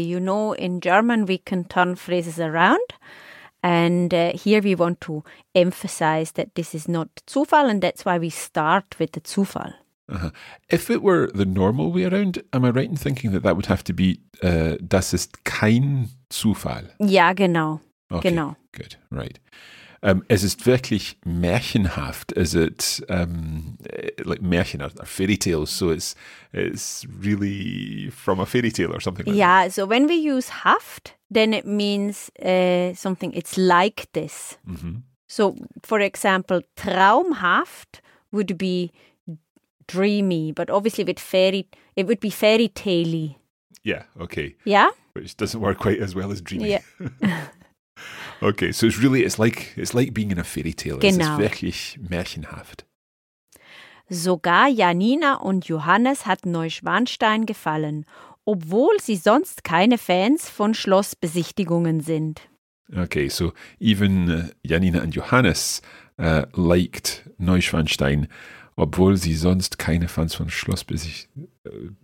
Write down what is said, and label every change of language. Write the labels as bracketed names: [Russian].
[English] You know, in German we can turn phrases around. And here we want to emphasize that this is not Zufall and that's why we start with the Zufall. Uh-huh. If it were the normal way around, am I right in thinking that that would have to be [German] das ist kein Zufall? [English] Ja, genau. Okay, genau. Good, right. [German] Es ist wirklich märchenhaft. [English] Is it like Märchen or fairy tales? So it's really from a fairy tale or something like yeah, that. Yeah, so when we use haft, then it means something, it's like this. Mm-hmm. So for example, traumhaft would be dreamy, but obviously with fairy, it would be fairy tale-y. Yeah, okay. Yeah? Which doesn't work quite as well as dreamy. Yeah. Okay, so it's like being in a fairy tale. [German] Genau. Es ist wirklich märchenhaft. Sogar Janina und Johannes hat Neuschwanstein gefallen, obwohl sie sonst keine Fans von Schlossbesichtigungen sind. [English] Okay, so even [German] Janina und Johannes liked Neuschwanstein, obwohl sie sonst keine Fans von Schlossbesichtigungen sind.